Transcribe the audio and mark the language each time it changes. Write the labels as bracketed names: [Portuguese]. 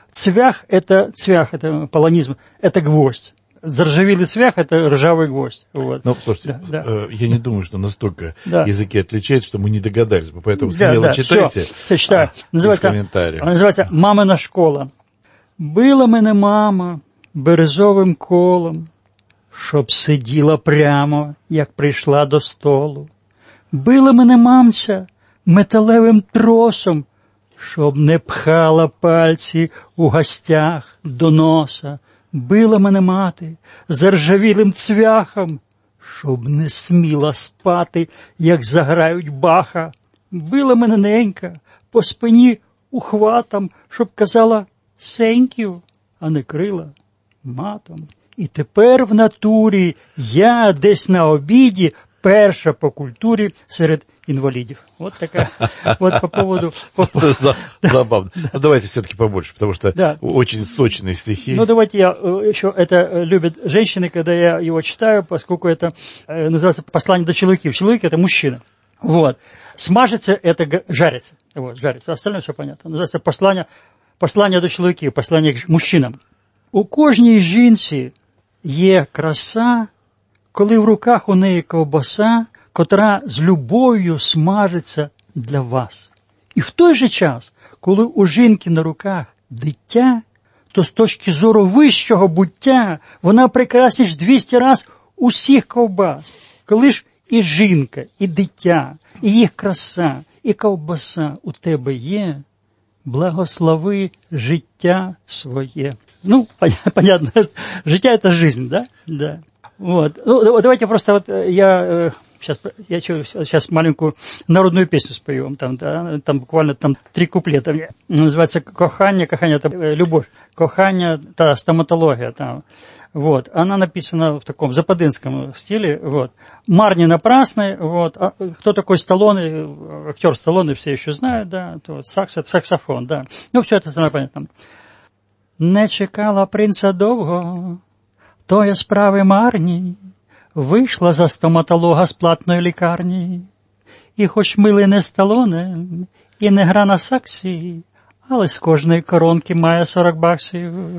[Russian] Цвях – это полонизм, это гвоздь. Заржавелый цвях – это ржавый гвоздь. Вот. Ну, слушайте, да, да. Я не думаю, что настолько языки отличаются, что мы не догадались бы. Поэтому смело читайте. Все, читаю. Называется «Мамина школа». [Ukrainian] «Была мене мама березовим колом, щоб сиділа прямо, як прийшла до столу. Била мене мамця металевим тросом, щоб не пхала пальці у гостях до носа. Била мене мати заржавілим цвяхом, щоб не сміла спати, як заграють Баха. Била мене ненька по спині ухватом, щоб казала [English] «thank you», [Ukrainian] а не крила матом. І тепер в натурі я десь на обіді перша по культурі серед інвалідів. [Russian] От така, от по поводу... Забавно. Ну, давайте все-таки побольше, потому что очень сочные стихи. Ну, давайте я еще... Это любят женщины, когда я его читаю, поскольку это называется «Послание до человеков». Человек – это мужчина. Вот. Смажется – это жарится. Вот, жарится. Остальное все понятно. Называется «Послание до человеков», «Послание к мужчинам». [Ukrainian] У кожній жінці є краса, коли в руках у неї ковбаса, котра з любов'ю смажиться для вас. І в той же час, коли у жінки на руках дитя, то з точки зору вищого буття вона прекрасніш 200 раз усіх ковбас. Коли ж і жінка, і дитя, і їх краса, і ковбаса у тебе є, благослови життя своє. [Russian] Ну, понятно, життя – это жизнь, да? Да. Вот. Ну, давайте просто вот я сейчас маленькую народную песню спою вам, там буквально там три куплета. Называется «Кохання» – это любовь. «Кохання» – это стоматология там. Вот. Она написана в таком западинском стиле. Вот. «Марні напрасний», вот. А кто такой Сталлоне? Актер Сталлоне все еще знают, да? То саксофон, да. Ну, все это самое понятно. [Ukrainian] Не чекала принца довго, тої справи марні, вийшла за стоматолога з платної лікарні. І хоч мили не Сталлоне, і не гра на саксі, але з кожної коронки має 40 баксів.